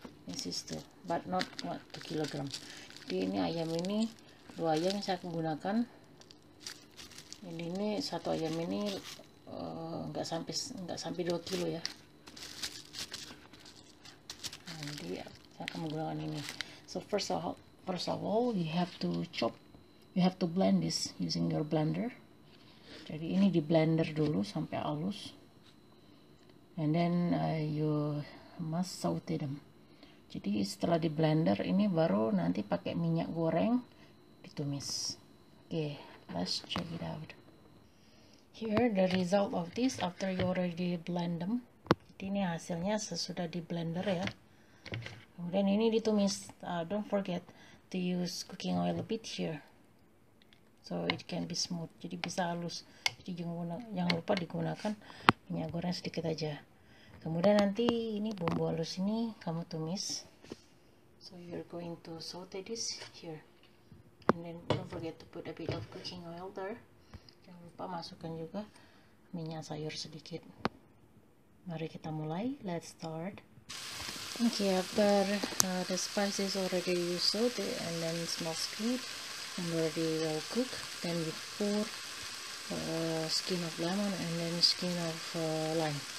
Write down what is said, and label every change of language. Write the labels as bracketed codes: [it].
[en] This is two, but not 1 kilogram. [id] Jadi ini ayam ini, dua ayam yang saya gunakan. Ini satu ayam ini nggak sampai 2 kilo ya. Jadi saya akan menggunakan ini. [en] So first of First of all, you have to chop, you have to blend this using your blender. [id] Jadi ini di blender dulu sampai halus. [en] And then you must saute them. [id] Jadi setelah di blender ini baru nanti pakai minyak goreng ditumis. [en] Okay, let's check it out. Here the result of this after you already blend them. [id] Jadi ini hasilnya sesudah di blender ya. Kemudian ini ditumis. [en] Don't forget to use cooking oil a bit here. So it can be smooth. [id] Jadi bisa halus. Jadi jangan lupa digunakan minyak goreng sedikit aja. Kemudian nanti ini bumbu halus ini kamu tumis. [en] So you're going to saute this here. And then don't forget to put a bit of cooking oil there. [id] Jangan lupa masukkan juga minyak sayur sedikit. Mari kita mulai. [en] Let's start. Okay, after the spices already saute and then smells good and already well cooked, then we pour skin of lemon and then skin of lime.